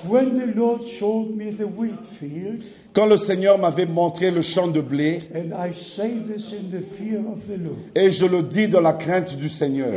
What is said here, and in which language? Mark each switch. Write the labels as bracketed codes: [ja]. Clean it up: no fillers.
[en] when the Lord showed me the wheat field, [fr] quand le Seigneur m'avait montré le champ de blé, [en] and I say this in the fear of the Lord, [fr] et je le dis dans la crainte du Seigneur,